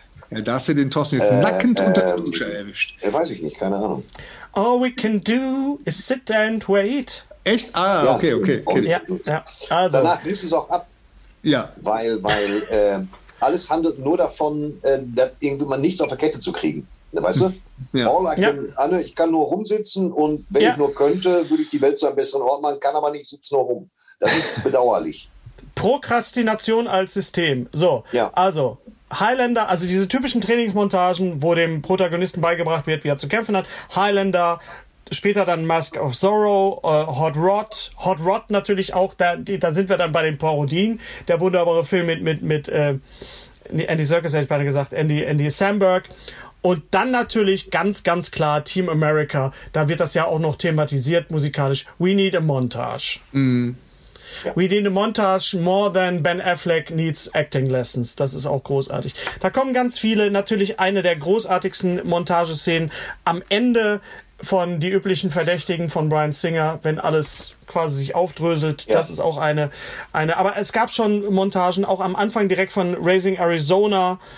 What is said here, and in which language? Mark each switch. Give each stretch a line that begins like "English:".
German: Ja, da hast du den Thorsten jetzt nackend unter der Dusche erwischt. Weiß ich nicht, keine Ahnung.
English: All we can do is sit and wait.
German: Echt? Ah, ja. Okay. Ja. Also. Danach riss es auch ab. Ja. Weil alles handelt nur davon, dass irgendwie man nichts auf der Kette zu kriegen. Weißt du? Ja. Ich kann nur rumsitzen und wenn ich nur könnte, würde ich die Welt zu einem besseren Ort machen, kann aber nicht, sitze nur rum. Das ist bedauerlich. Prokrastination als System. So, ja. Also. Highlander, also diese typischen Trainingsmontagen, wo dem Protagonisten beigebracht wird, wie er zu kämpfen hat. Highlander, später dann Mask of Zorro, Hot Rod natürlich auch, da sind wir dann bei den Parodien. Der wunderbare Film mit Andy Serkis, hätte ich beide gesagt, Andy Samberg. Und dann natürlich ganz, ganz klar Team America, da wird das ja auch noch thematisiert musikalisch.
English: We need a montage. Mhm. Ja. We need a montage more than Ben Affleck needs acting lessons.
German: Das ist auch großartig. Da kommen ganz viele. Natürlich eine der großartigsten Montageszenen am Ende von Die üblichen Verdächtigen von Bryan Singer, wenn alles quasi sich aufdröselt. Ja. Das ist auch eine. Aber es gab schon Montagen, auch am Anfang direkt von Raising Arizona.